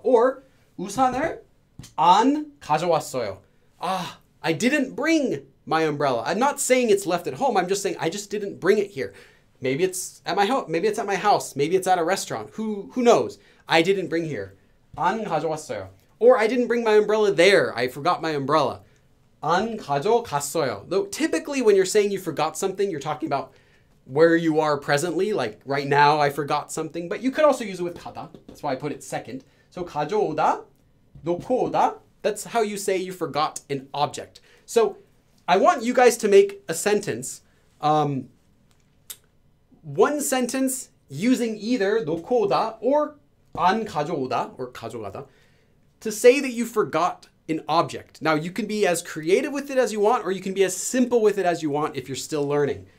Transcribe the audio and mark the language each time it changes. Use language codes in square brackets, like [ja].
[ko] Or 우산을 안 가져왔어요. [en] Ah, I didn't bring my umbrella. I'm not saying it's left at home. I'm just saying I just didn't bring it here. Maybe it's at my home. Maybe it's at my house. Maybe it's at a restaurant. Who knows? I didn't bring here. [ko] 안 가져왔어요. [en] Or I didn't bring my umbrella there. I forgot my umbrella. [ko] 안 가져갔어요. [en] Though typically when you're saying you forgot something, you're talking about where you are presently. Like right now, I forgot something. But you could also use it with 가다. That's why I put it second. So 가져오다, 놓고 오다. That's how you say you forgot an object. So I want you guys to make a sentence. One sentence using either 놓고 오다 or 안 가져오다 or 가져가다. To say that you forgot an object. Now, you can be as creative with it as you want, or you can be as simple with it as you want if you're still learning.